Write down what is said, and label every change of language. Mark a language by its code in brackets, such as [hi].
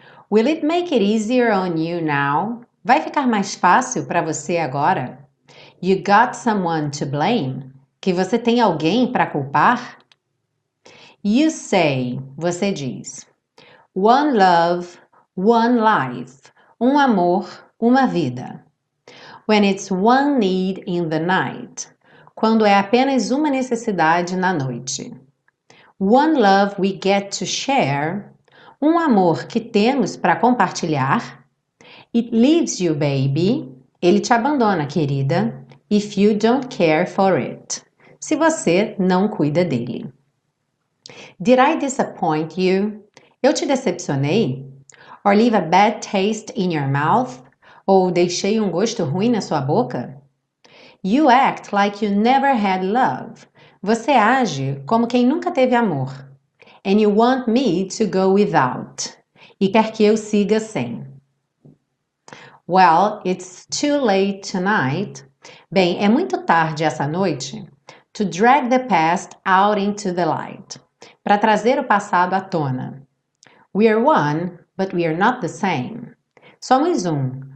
[en] Will it make it easier on you now? [pt] Vai ficar mais fácil para você agora? [en] You got someone to blame? [pt] Que você tem alguém para culpar? [en] You say, [pt] você diz: [en] One love, one life. [pt] Um amor, Uma vida. [en] When it's one need in the night. [pt] Quando é apenas uma necessidade na noite. [en] One love we get to share. [pt] Um amor que temos para compartilhar. [en] It leaves you, baby. [pt] Ele te abandona, querida. [en] If you don't care for it. [pt] Se você não cuida dele. [en] Did I disappoint you? [pt] Eu te decepcionei? [en] Or leave a bad taste in your mouth? [pt] Ou deixei um gosto ruim na sua boca? [en] You act like you never had love. [pt] Você age como quem nunca teve amor. [en] And you want me to go without. [pt] E quer que eu siga sem. [en] Well, it's too late tonight. [pt] Bem, é muito tarde essa noite. [en] To drag the past out into the light. [pt] Para trazer o passado à tona. [en] We are one, but we are not the same. [pt] Somos um.